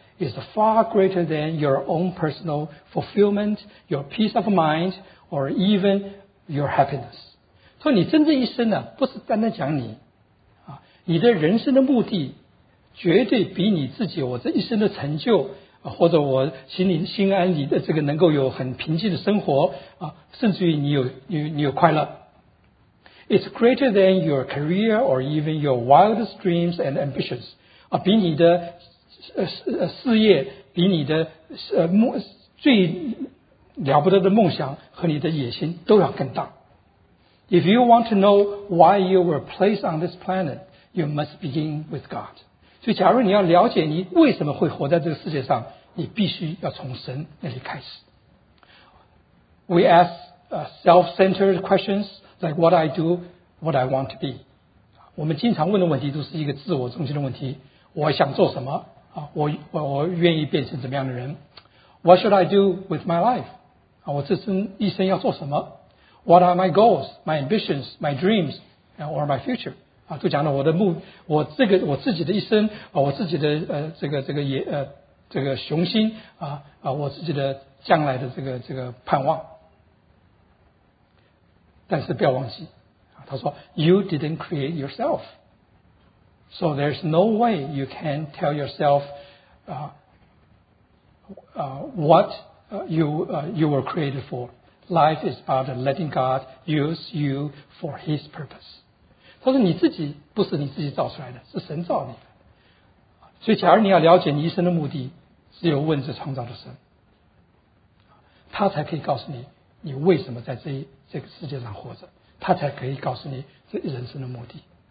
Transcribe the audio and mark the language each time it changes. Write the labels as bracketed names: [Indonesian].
[English] Is far greater than your own personal fulfillment, your peace of mind, or even your happiness. [Chinese] 所以你真正一生呢，不是单单讲你，啊，你的人生的目的绝对比你自己我这一生的成就，啊，或者我心安理的这个能够有很平静的生活啊，甚至于你有快乐。 [English] It's greater than your career or even your wildest dreams and ambitions. [Chinese] 啊，比你的事业比你的最了不得的梦想和你的野心都要更大。 [English] If you want to know why you were placed on this planet, you must begin with God. [Chinese] 所以假如你要了解你为什么会活在这个世界上，你必须要从神那里开始。 [English] We ask self-centered questions like what I do, what I want to be. [Chinese] 我们经常问的问题都是一个自我中心的问题，我想做什么啊，我愿意变成怎么样的人 ？ [English] What should I do with my life？ [Chinese] 啊，我这生一生要做什么 [English] ？What are my goals, my ambitions, my dreams, or my future？ [Chinese] 啊，都讲了我自己的一生啊，我自己的这个雄心啊啊，我自己的将来的这个盼望。但是不要忘记啊，他说 ， [English] You didn't create yourself。 So there's no way you can tell yourself what you were created for. Life is about letting God use you for His purpose. [Chinese] 他说你自己不是你自己造出来的，是神造你的。所以假如你要了解你一生的目的，只有问这创造的神，他才可以告诉你你为什么在这个世界上活着，他才可以告诉你这人生的目的。